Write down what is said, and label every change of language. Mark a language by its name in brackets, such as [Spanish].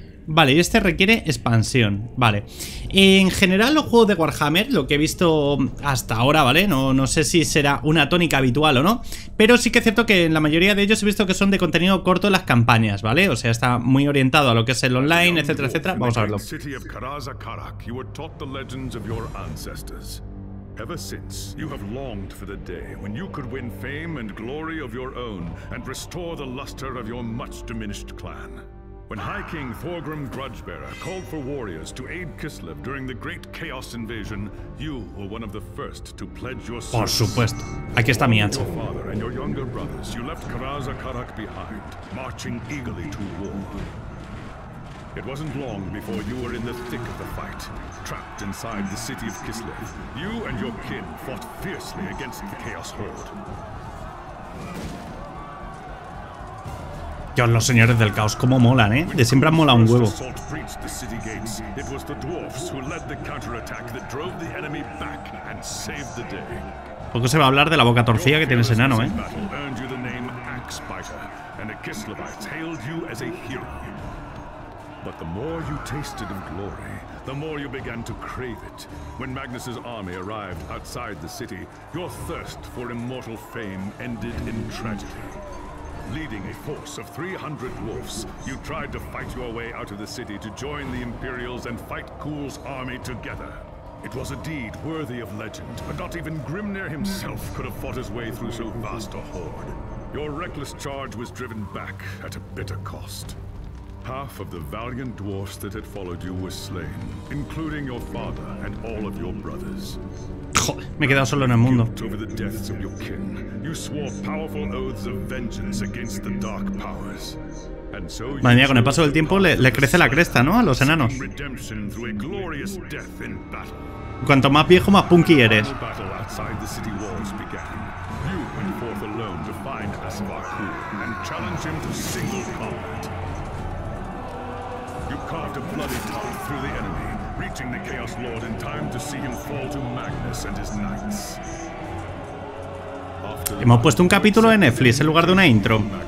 [Spanish] Vale, y este requiere expansión, vale. En general, los juegos de Warhammer, lo que he visto hasta ahora, ¿vale? No sé si será una tónica habitual o no, pero sí que es cierto que en la mayoría de ellos he visto que son de contenido corto las campañas, ¿vale? O sea, está muy orientado a lo que es el online, etcétera, etcétera. Vamos a verlo. [English] City of Karaza Karak, you were taught the legends of your ancestors. Ever since, you have longed for the day when you could win fame and glory of your own and restore the luster of your much diminished clan. When High King Thorgrim Grudgebearer called for warriors to aid Kislev during the Great Chaos Invasion, you were one of the first to pledge your service. [Spanish] Por supuesto. Aquí está mi ancho. [English] Your father and your younger brothers, you left Karaza Karak behind, marching eagerly to war. It wasn't long before you were in the thick of the fight, trapped inside the city of Kislev. You and your kin fought fiercely against the Chaos Horde. [Spanish] Dios, los señores del caos, cómo molan, ¿eh? De siempre han molado un huevo. [English] When the first assault reached the city gates, it was the dwarfs who led the counterattack that drove the enemy back and saved the day. [Spanish] Poco se va a hablar de la boca torcida que tiene ese enano, ¿eh? [English] Your fearless earned you the name Axe Biter, and the Kislevites hailed you as a hero. But the more you tasted of glory, the more you began to crave it. When Magnus's army arrived outside the city, your thirst for immortal fame ended in tragedy. Leading a force of 300 dwarfs, you tried to fight your way out of the city to join the Imperials and fight Kul's army together. It was a deed worthy of legend, but not even Grimnir himself could have fought his way through so vast a horde. Your reckless charge was driven back at a bitter cost. Half of the valiant dwarfs that had followed you were slain, including your father and all of your brothers. [Spanish] Joder, me he quedado solo en el mundo. [English] Over the deaths of your kin, you swore powerful oaths of vengeance against the dark powers. And so you. [Spanish] Madre mía, con el paso del tiempo le crece la cresta, ¿no? A los enanos. [English] Redemption through a glorious death in battle. [Spanish] Cuanto más viejo, más punky eres. [English] Battle outside the city walls began. You went forth alone to find Asmar Kul and challenge him to single combat. You carved a bloody tunnel through the enemy, reaching the Chaos Lord in time to see him fall to Magnus and his knights. [Spanish] Hemos puesto un capítulo de Netflix en lugar de una intro.